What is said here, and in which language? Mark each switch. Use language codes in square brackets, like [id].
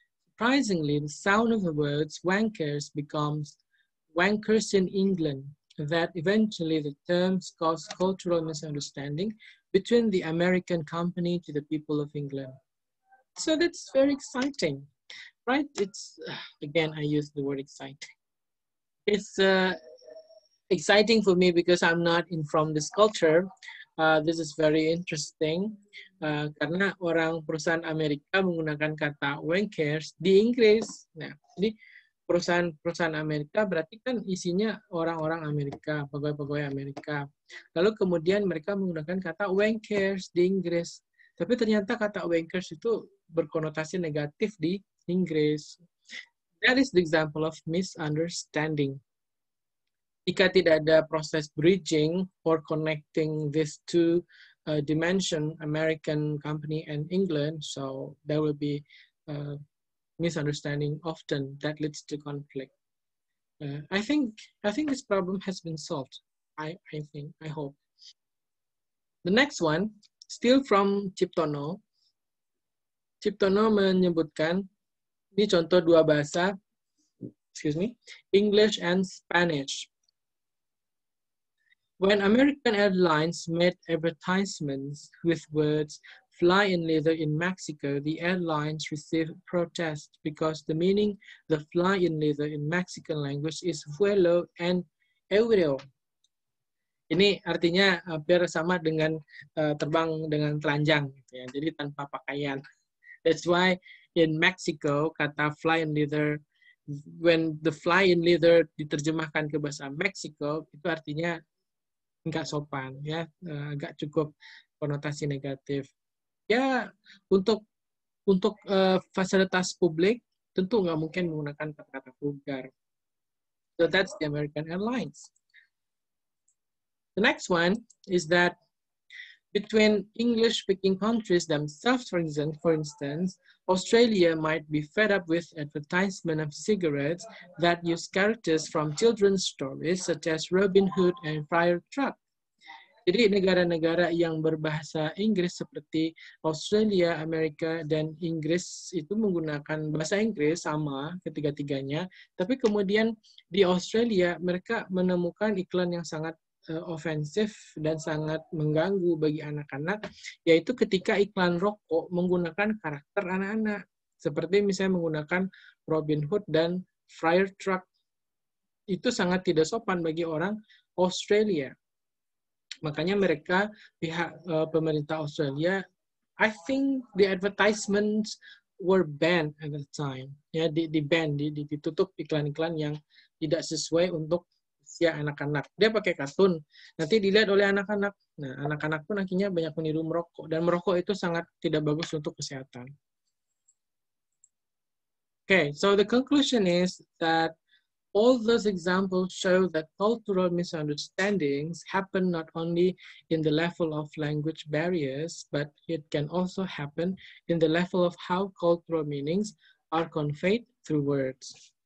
[en] Surprisingly, the sound of the words Wang Cares becomes Wankers in England, that eventually the terms cause cultural misunderstanding between the American company to the people of England. So that's very exciting, right? It's, again, I use the word exciting. It's exciting for me because I'm not in from this culture. This is very interesting. [id] Karena orang perusahaan Amerika menggunakan kata Wankers di Inggris. Nah, jadi perusahaan-perusahaan Amerika berarti kan isinya orang-orang Amerika, pegawai-pegawai Amerika. Lalu kemudian mereka menggunakan kata Wankers di Inggris. Tapi ternyata kata Wankers itu berkonotasi negatif di Inggris. [en] That is the example of misunderstanding. [id] Jika tidak ada proses [en] bridging or connecting these two dimension, American company and England, so there will be misunderstanding often that leads to conflict. I think this problem has been solved. I hope. The next one, still from Ciptono. [id] Ciptono menyebutkan, ini contoh dua bahasa, English and Spanish. [en] When American airlines made advertisements with words fly in leather in Mexico, the airlines received protest because the meaning the fly in leather in Mexican language is vuelo and aéreo. [id] Ini artinya hampir sama dengan terbang dengan telanjang, gitu ya, jadi tanpa pakaian. [en] That's why in Mexico, [id] kata fly in leather, [en] when the fly in leather [id] diterjemahkan ke bahasa Mexico, itu artinya enggak sopan, ya, enggak cukup konotasi negatif. Ya, untuk fasilitas publik tentu nggak mungkin menggunakan kata-kata vulgar. [en] So that's the American Airlines. The next one is that between English-speaking countries themselves, for instance, Australia might be fed up with advertisement of cigarettes that use characters from children's stories such as Robin Hood and Friar Tuck. [id] Jadi negara-negara yang berbahasa Inggris seperti Australia, Amerika, dan Inggris itu menggunakan bahasa Inggris sama ketiga-tiganya. Tapi kemudian di Australia mereka menemukan iklan yang sangat ofensif dan sangat mengganggu bagi anak-anak, yaitu ketika iklan rokok menggunakan karakter anak-anak. Seperti misalnya menggunakan Robin Hood dan Friar Tuck. Itu sangat tidak sopan bagi orang Australia. Makanya mereka, pihak pemerintah Australia, [en] I think the advertisements were banned at the time. [id] Ya, di-ban, ditutup iklan-iklan yang tidak sesuai untuk ya anak-anak. Dia pakai katun. Nanti dilihat oleh anak-anak. Nah, anak-anak pun akhirnya banyak meniru merokok. Dan merokok itu sangat tidak bagus untuk kesehatan. [en] Okay, so the conclusion is that all those examples show that cultural misunderstandings happen not only in the level of language barriers, but it can also happen in the level of how cultural meanings are conveyed through words.